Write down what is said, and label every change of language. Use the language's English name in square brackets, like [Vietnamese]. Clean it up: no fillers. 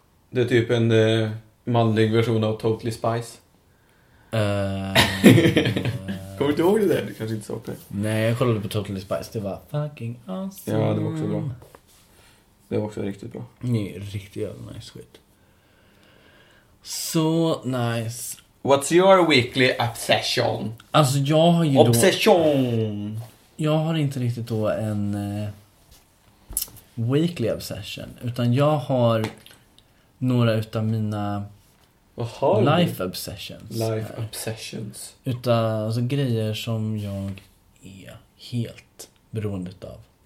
[Swedish] Det är typ en manlig version av Totally Spice. Kommer du ihåg det där? Du kanske inte såg det. Nej, jag kollade på Totally Spice. Det var [English] fucking awesome. [Swedish] Ja, det var också bra. Det var också riktigt bra. Nej, riktigt jävla nice skit. [English] So nice. What's your weekly obsession? [Swedish] Alltså jag har ju obsession. Då... Obsession! Jag har inte riktigt då en [English] weekly obsession. [Swedish] Utan jag har några utav mina... [English] life obsessions. Life obsessions. [Swedish] Utan alltså, grejer som jag är helt beroende av.